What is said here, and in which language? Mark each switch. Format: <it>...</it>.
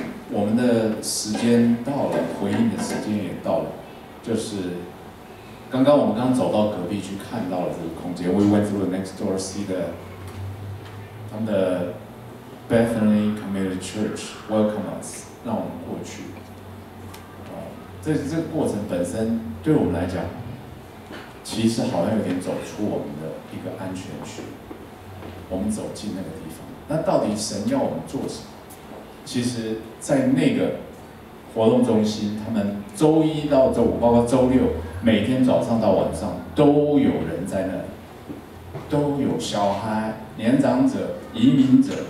<zh>我们的时间到了，回应的时间也到了。就是刚刚我们刚走到隔壁去看到了这个空间。</zh> <en>We went through the next door, see the</en> <zh>他们的。</zh> <en>Bethany Community Church, welcome us.</en> <zh>让我们过去。这个过程本身对我们来讲，其实好像有点走出我们的一个安全区。我们走进那个地方，那到底神要我们做什么？其实，在那个活动中心，他们周一到周五，包括周六，每天早上到晚上都有人在那里，都有小孩、年长者、移民者。</zh>